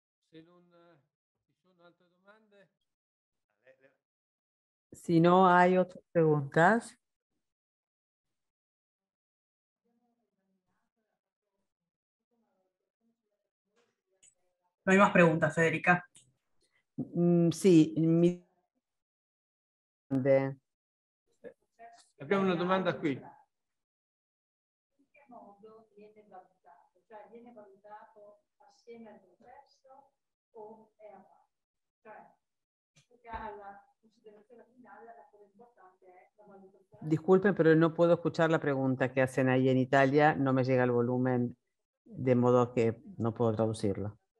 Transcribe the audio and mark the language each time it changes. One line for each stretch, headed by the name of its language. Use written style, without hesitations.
Italian: Se non ci sono altre domande.
Spanish: Si no hay otras preguntas. No hay más preguntas, Federica. Sí, mi de...
Italian: Abbiamo una domanda qui. In che modo viene valutato? Cioè viene valutato assieme al progresso o è a parte? Cioè, la considerazione finale, la cosa importante è la valutazione.
Spanish: Disculpen, pero no puedo escuchar la pregunta que hacen ahí en Italia, no me llega el volumen, de modo que no puedo traducirlo.